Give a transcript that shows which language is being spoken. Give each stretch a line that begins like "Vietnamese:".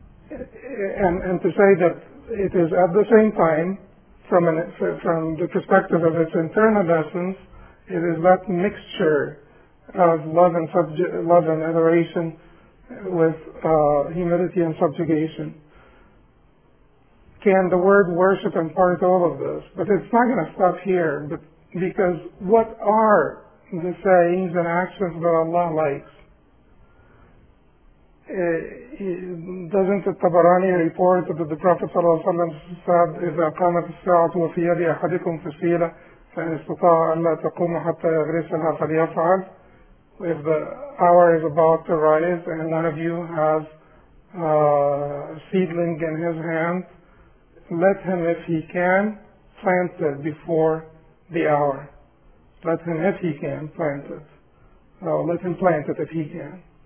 English: And to say that it is at the same time, from the perspective of its internal essence, it is that mixture of love and adoration with humility and subjugation. Can the word worship impart all of this? But it's not going to stop here, because what are the sayings and actions that Allah likes? Doesn't the Tabarani report that the Prophet ﷺ said,
Arabic: إِذَا قَامَتِ السَّاعَةُ وَفِي يَدِ أَحَدِكُمْ فَسِيلَ فَإِنْسْتَطَاعَ أَلَّا تَقُومَ حَتَّى يَغْرِسَهَا فَلْيَفْعَلْ.
English: If the hour is about to rise and none of you has a seedling in his hand, let him, if he can, plant it before the hour. Let him, if he can, plant it. No, let him plant it if he can.